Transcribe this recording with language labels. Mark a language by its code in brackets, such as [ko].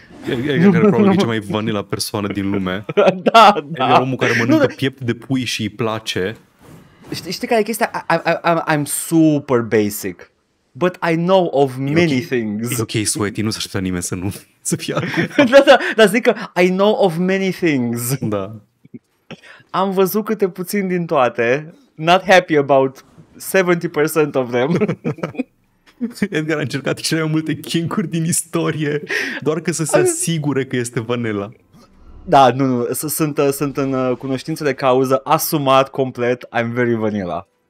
[ro] Edgar care probabil e cea mai vanila persoană din lume. Da. E omul care mănâncă piept de pui și îi place. Știi care e chestia? [en] I'm super basic. But I know of many things. [ro] E ok, sweaty, nu s-a aștepta nimeni să fie acum. Da, zic că [en] I know of many things. [ro] Da. Am văzut câte puțin din toate. [en] Not happy about 70% of them. [ro] Edgar a încercat cele mai multe kink-uri din istorie, doar că să se asigure că este vanilla. Da, nu, sunt în cunoștință de cauză, asumat complet, [en] I'm very vanilla.